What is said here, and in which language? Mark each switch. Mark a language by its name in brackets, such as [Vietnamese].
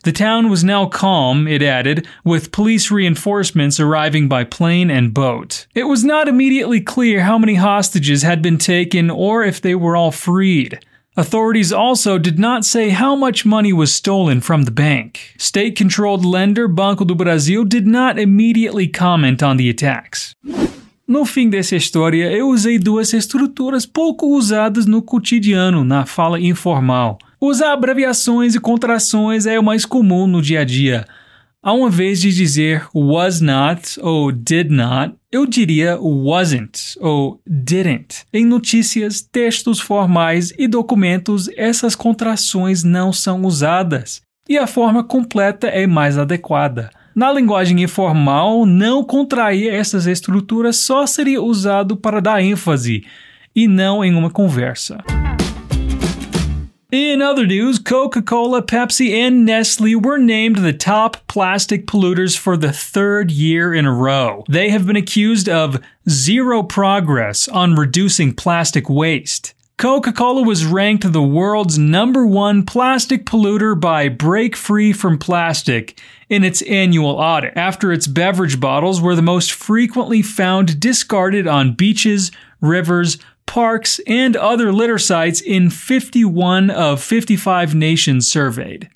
[English] The town was now calm, it added, with police reinforcements arriving by plane and boat. It was not immediately clear how many hostages had been taken or if they were all freed. Authorities also did not say how much money was stolen from the bank. State-controlled lender Banco do Brasil did not immediately comment on the attacks. [Portuguese] No fim dessa história, eu usei duas estruturas pouco usadas no cotidiano, na fala informal. Usar abreviações e contrações é o mais comum no dia a dia. Ao invés de dizer was not ou did not, eu diria wasn't ou didn't. Em notícias, textos formais e documentos, essas contrações não são usadas. E a forma completa é mais adequada. Na linguagem informal, não contrair essas estruturas só seria usado para dar ênfase, e não em uma conversa. [English] In other news, Coca-Cola, Pepsi, and Nestle were named the top plastic polluters for the third year in a row. They have been accused of zero progress on reducing plastic waste. Coca-Cola was ranked the world's number one plastic polluter by Break Free from Plastic in its annual audit, after its beverage bottles were the most frequently found discarded on beaches, rivers, parks, and other litter sites in 51 of 55 nations surveyed.